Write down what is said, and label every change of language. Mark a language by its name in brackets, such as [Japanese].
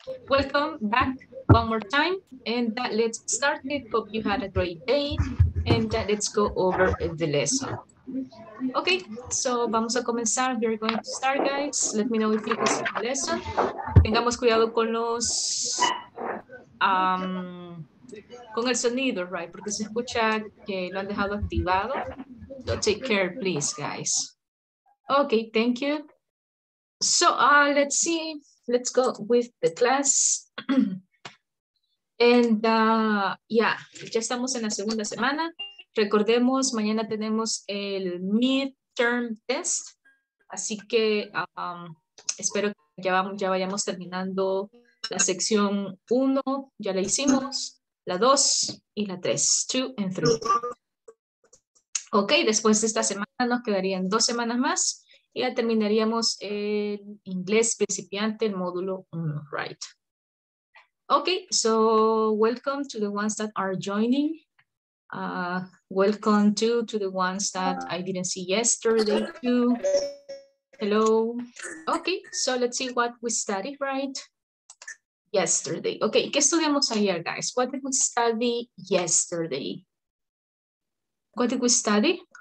[English] Welcome back one more time and let's start it. Hope you had a great day and let's go over the lesson. Okay, so [Spanish] vamos a comenzar. [English] We're going to start, guys. Let me know if you can see the lesson. [Spanish] Tengamos cuidado con los con el sonido, right? Porque se escucha que lo han dejado activado. [English] So take care, please, guys. Okay, thank you. So let's see. Let's go with the class. [Spanish] And ya estamos en la segunda semana. Recordemos, mañana tenemos el midterm test. Así que espero que ya vayamos terminando la sección 1. Ya la hicimos. La 2 y la 3, 2 and 3. Ok, después de esta semana nos quedarían 2 semanas más y ya terminaríamos el inglés principiante, el módulo 1, right? [English] Ok, so welcome to the ones that are joining. Welcome to the ones that I didn't see yesterday too. Hello. Ok, so let's see what we studied, right? Yesterday. Okay, [Spanish] ¿qué estudiamos ayer, [English] guys? What did we study yesterday? What did we study?